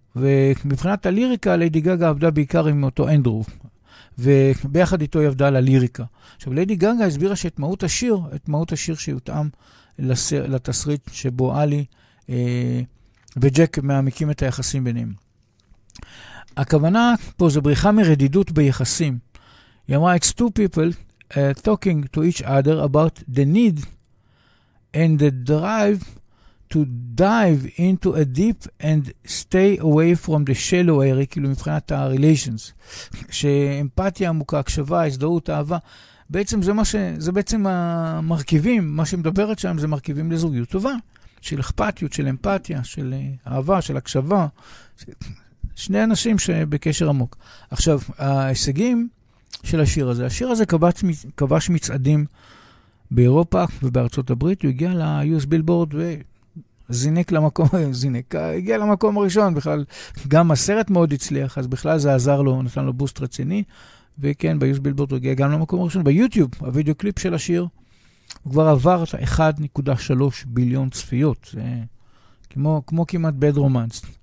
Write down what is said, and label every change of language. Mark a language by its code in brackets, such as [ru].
[he] ומבחינת הליריקה, לידי גאגא עבדה בעיקר עם אותו אנדרו, וביחד איתו היא עבדה על הליריקה. עכשיו, לידי גאגא הסבירה שאת מהות השיר, את מהות השיר שיותאם לתסריט שבו אלי וג'ק מעמיקים את היחסים ביניהם. הכוונה פה זה בריחה מרדידות ביחסים. היא אמרה, [en] it's two people talking to each other about the need and the drive to dive into a deep and stay away from the shallow area, [he] כאילו מבחינת ה-relations, שאמפתיה עמוקה, הקשבה, הזדהות, אהבה, בעצם זה מה ש... זה בעצם המרכיבים, מה שמדברת שם זה מרכיבים לזוגיות טובה, של אכפתיות, של אמפתיה, של אהבה, של הקשבה, שני אנשים שבקשר עמוק. עכשיו, ההישגים של השיר הזה, השיר הזה כבש מצעדים באירופה ובארצות הברית, הוא הגיע ל-US בילבורד וזינק למקום, הגיע למקום הראשון, בכלל, גם הסרט מאוד הצליח, אז בכלל זה עזר לו, נתן לו בוסט רציני, וכן, ב-US בילבורד הוא הגיע גם למקום הראשון, ביוטיוב, הוידאו קליפ של השיר, הוא כבר עבר את 1.3 ביליון צפיות, זה כמו כמעט בד רומנס.